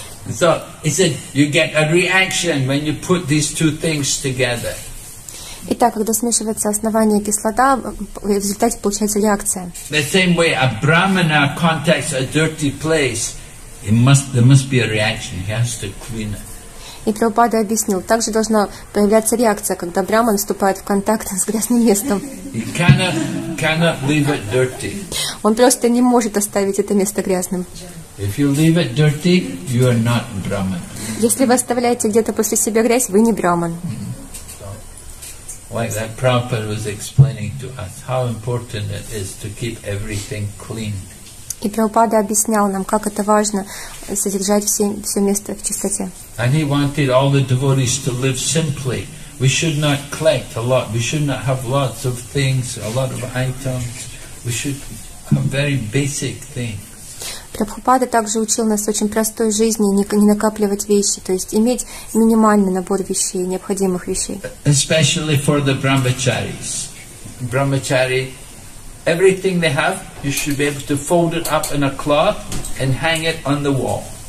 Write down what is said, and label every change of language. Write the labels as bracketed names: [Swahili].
[English] So, he said, you get a reaction when you put these two things together. [Russian] Итак, когда смешивается основание и кислота, в результате получается реакция. [English] The same way a brahmana contacts a dirty place, it must, there must be a reaction. He has to clean it. [Russian] И Прабхупада объяснил, также должна появляться реакция, когда брахман вступает в контакт с грязным местом. [English] He cannot leave it dirty. [Russian] Он просто не может оставить это место грязным. [English] If you leave it dirty, you are not brahman. [Russian] Если вы оставляете где-то после себя грязь, вы не брахман. [English] Like that Prabhupada was explaining to us how important it is to keep everything clean. [Russian] И Прабхупада объяснял нам, как это важно содержать все место в чистоте. [English] And he wanted all the devotees to live simply. We should not collect a lot. We should not have lots of things, a lot of items. We should have very basic things. [Russian] Прабхупада также учил нас очень простой жизни, не накапливать вещи, то есть иметь минимальный набор вещей, необходимых вещей. [English] Especially for the brahmacharis. Brahmachari, everything they have, you should be able to fold it up in a cloth and hang it on the wall.